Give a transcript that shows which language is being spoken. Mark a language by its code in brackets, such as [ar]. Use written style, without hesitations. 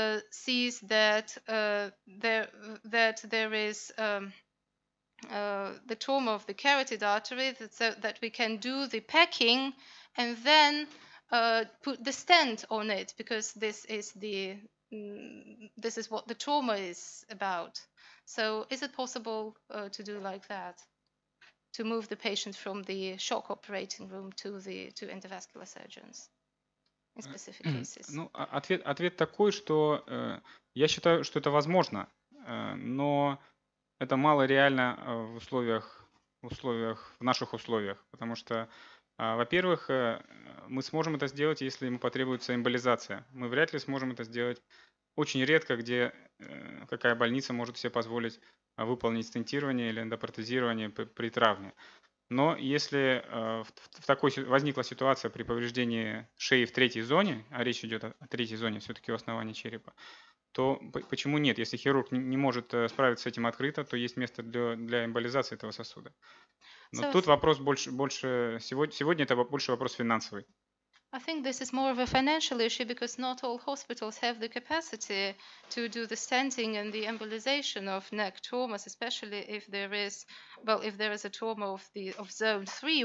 [en] sees that the trauma of the carotid artery, that we can do the packing and then put the stent on it, because this is what the trauma is about. So is it possible to do like that? To move the patient from the shock operating room to endovascular surgeons in specific cases. [ru] Ну, ответ такой, что я считаю, что это возможно, но это мало реально в наших условиях, потому что, во-первых, мы сможем это сделать, если ему потребуется эмболизация. Мы вряд ли сможем это сделать. Очень редко, где какая больница может себе позволить выполнить стентирование или эндопротезирование при травме. Но если возникла ситуация при повреждении шеи в третьей зоне, а речь идет о третьей зоне, все-таки у основания черепа, то почему нет? Если хирург не может справиться с этим открыто, то есть место для эмболизации этого сосуда. Но тут вопрос больше сегодня это больше вопрос финансовый. [en] I think this is more of a financial issue because not all hospitals have the capacity to do the stenting and the embolization of neck traumas, especially if there is a trauma of zone 3.